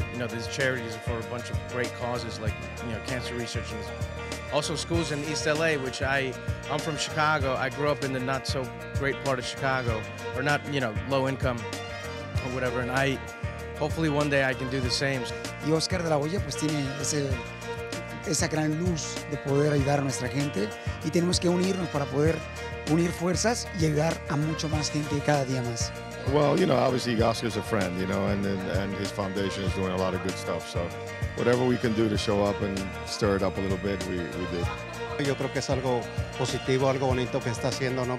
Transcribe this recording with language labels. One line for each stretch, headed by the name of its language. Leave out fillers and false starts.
English: These charities are for a bunch of great causes, like, you know, cancer research and also schools in East LA, which I'm from Chicago. I grew up in the not so great part of Chicago, or not, you know, low income or whatever. And I hopefully one day I can do the same.
Spanish: Y Oscar De La Hoya pues tiene esa gran luz de poder ayudar a nuestra gente, y tenemos que unirnos para poder unir fuerzas y llegar a mucho más gente cada día más.
English: Well, you know, obviously Garcia's a friend, you know, and his foundation is doing a lot of good stuff. So whatever we can do to show up and stir it up a little bit, we did.
Spanish: Yo creo que es algo positivo, algo bonito que está haciendo, ¿no?